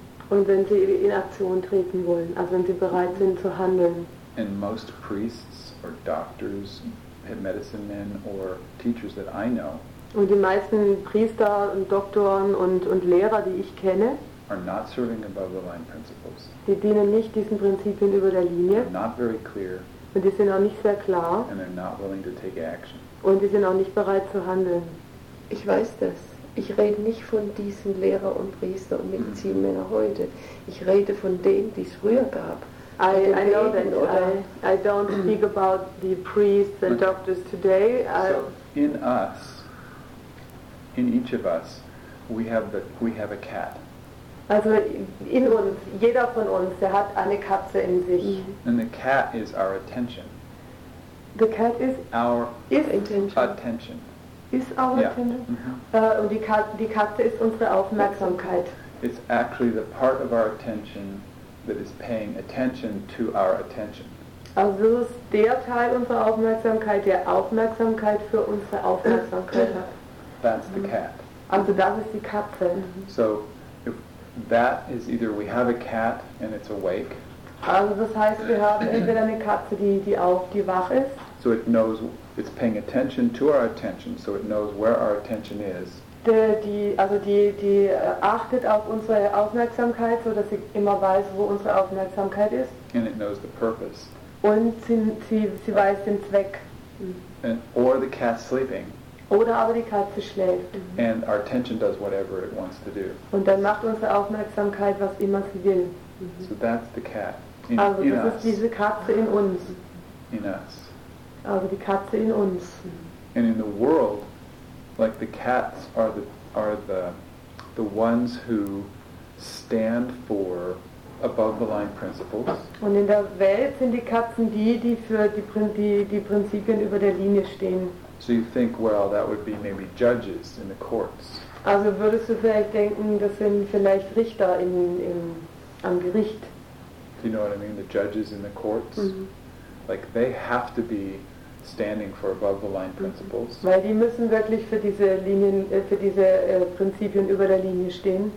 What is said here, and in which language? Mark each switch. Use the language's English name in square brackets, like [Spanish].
[German] Und wenn sie in Aktion treten wollen, also wenn sie bereit sind zu handeln. [English] And most priests or doctors, medicine men or teachers that I know. [German] Und die meisten Priester und Doktoren und Lehrer, die ich kenne, [English] are not serving above the line principles. [German] Die dienen nicht diesen Prinzipien über der Linie. [English] They're not very clear. [German] Und die sind auch nicht sehr klar. [English] And they're not willing to take action. [German] Und die sind auch nicht bereit zu handeln. Ich weiß das. Ich rede nicht von diesen Lehrer und Priester und Medizinmänner heute. Ich rede von denen, die es früher gab. [English] I know that. I don't speak about the priests and doctors today. So in us, in each of us, we have a cat. [German] Also in uns, jeder von uns, der hat eine Katze in sich. [English] And the cat is our attention. The cat is our attention. Is our attention. Mm-hmm. [German] Die Katze ist unsere Aufmerksamkeit. [English] It's actually the part of our attention that is paying attention to our attention. [German] Also es ist der Teil unserer Aufmerksamkeit, der Aufmerksamkeit für unsere Aufmerksamkeit hat. [English] That's the cat. [German] Also das ist die Katze. Mm-hmm. [English] So if that is either we have a cat and it's awake. [German] Also das heißt, wir haben entweder eine Katze, die wach ist. [English] So it knows, it's paying attention to our attention, so it knows where our attention is. [German] Die achtet auf unsere Aufmerksamkeit, so dass sie immer weiß, wo unsere Aufmerksamkeit ist. [English] And it knows the purpose. [German] Und sie weiß den Zweck. [English] Or the cat's sleeping. [German] Oder aber die Katze schläft. [English] And our attention does whatever it wants to do. [German] Und dann macht unsere Aufmerksamkeit, was immer sie will. [English] So that's the cat in us. [German] Also das ist diese Katze in uns. [English] In us. [German] Also die Katze in uns. [English] And in the world, like the cats are the ones who stand for above the line principles. [German] Und in der Welt sind die Katzen die für die Prinzipien über der Linie stehen. [English] So you think, well, that would be maybe judges in the courts. [German] Also würdest du vielleicht denken, das sind vielleicht Richter in am Gericht. [English] Do you know what I mean? The judges in the courts? Mm-hmm. Like they have to be standing for above the line principles. Mm-hmm. [German] Weil die müssen wirklich für diese Linien, für diese Prinzipien über der Linie stehen.